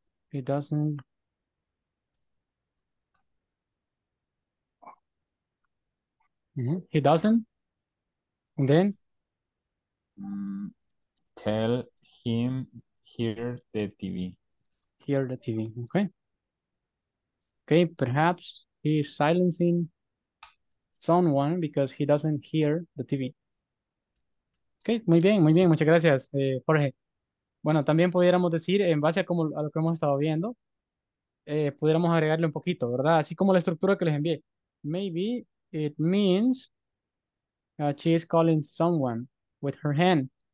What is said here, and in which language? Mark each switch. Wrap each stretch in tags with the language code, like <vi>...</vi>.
<en>He doesn't he doesn't and then tell him hear the TV. Hear the TV, okay. Okay, perhaps he is silencing someone because he doesn't hear the TV.</en> <es>Okay, muy bien, muchas gracias, Jorge. Bueno, también pudiéramos decir, en base a, como, a lo que hemos estado viendo, pudiéramos agregarle un poquito, ¿verdad? Así como la estructura que les envié.</es> <en>Maybe it means she is calling someone with her hand.</en>